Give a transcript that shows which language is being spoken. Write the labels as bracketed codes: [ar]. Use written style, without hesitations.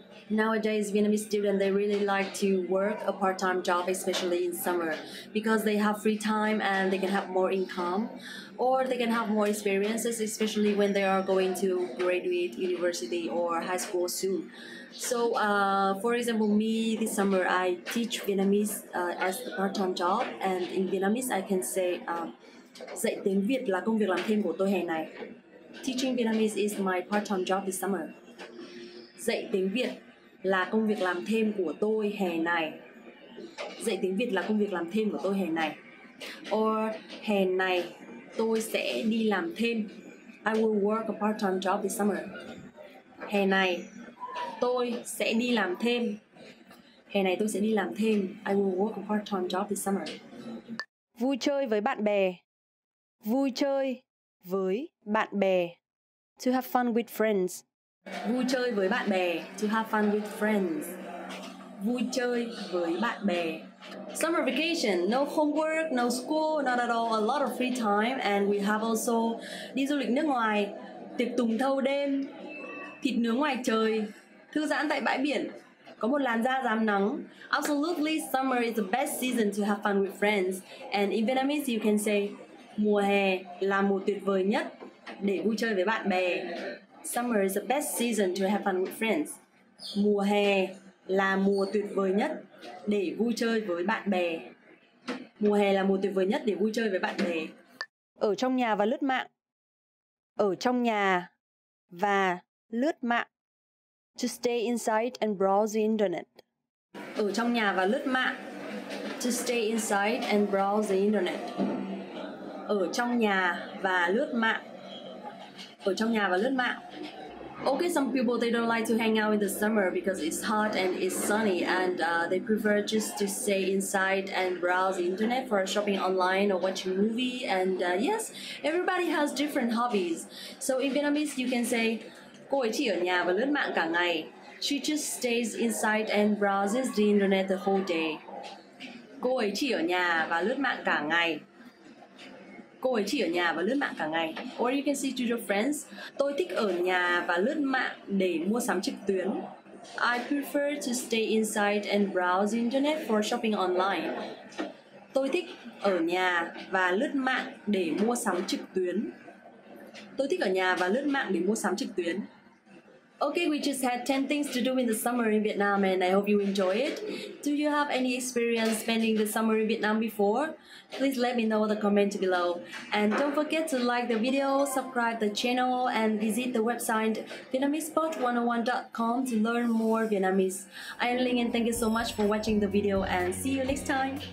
[en] Nowadays, Vietnamese students, they really like to work a part-time job, especially in summer, because they have free time and they can have more income, or they can have more experiences, especially when they are going to graduate university or high school soon. So, for example, me this summer, I teach Vietnamese as a part-time job, and in Vietnamese, I can say, [vi] dạy tiếng Việt là công việc làm thêm của tôi hè này. [en] Teaching Vietnamese is my part-time job this summer. [vi] Dạy tiếng Việt là công việc làm thêm của tôi hè này. Dạy tiếng Việt là công việc làm thêm của tôi hè này. Or hè này tôi sẽ đi làm thêm. [en] I will work a part-time job this summer. [vi] Hè này tôi sẽ đi làm thêm. Hè này tôi sẽ đi làm thêm. [en] I will work a part-time job this summer. [vi] Vui chơi với bạn bè. Vui chơi với bạn bè. [en] To have fun with friends. [vi] Vui chơi với bạn bè. [en] To have fun with friends. [vi] Vui chơi với bạn bè. [en] Summer vacation. No homework, no school, not at all. A lot of free time. And we have also [vi] đi du lịch nước ngoài. Tiệc tùng thâu đêm. Thịt nướng ngoài trời. Thư giãn tại bãi biển. Có một làn da rám nắng. [en] Absolutely, summer is the best season to have fun with friends. And in Vietnamese, you can say [vi] mùa hè là mùa tuyệt vời nhất để vui chơi với bạn bè. [en] Summer is the best season to have fun with friends. [vi] Mùa hè là mùa tuyệt vời nhất để vui chơi với bạn bè. Mùa hè là mùa tuyệt vời nhất để vui chơi với bạn bè. Ở trong nhà và lướt mạng. Ở trong nhà và lướt mạng. [en] To stay inside and browse the internet. [vi] Ở trong nhà và lướt mạng. [en] To stay inside and browse the internet. [vi] Ở trong nhà và lướt mạng. Ở trong nhà và lướt mạng. [en] Okay, some people, they don't like to hang out in the summer because it's hot and it's sunny, and they prefer just to stay inside and browse the internet for shopping online or watching movie. And yes, everybody has different hobbies. So in Vietnamese, you can say [vi] cô ấy chỉ ở nhà và lướt mạng cả ngày. [en] She just stays inside and browses the internet the whole day. [vi] Cô ấy chỉ ở nhà và lướt mạng cả ngày. Cô ấy chỉ ở nhà và lướt mạng cả ngày. [en] Or you can say to your friends, [vi] tôi thích ở nhà và lướt mạng để mua sắm trực tuyến. [en] I prefer to stay inside and browse internet for shopping online. [vi] Tôi thích ở nhà và lướt mạng để mua sắm trực tuyến. Tôi thích ở nhà và lướt mạng để mua sắm trực tuyến. [en] Okay, we just had 10 things to do in the summer in Vietnam and I hope you enjoy it. Do you have any experience spending the summer in Vietnam before? Please let me know in the comment below. And don't forget to like the video, subscribe the channel and visit the website VietnamesePod101.com to learn more Vietnamese. I am Linh and thank you so much for watching the video and see you next time.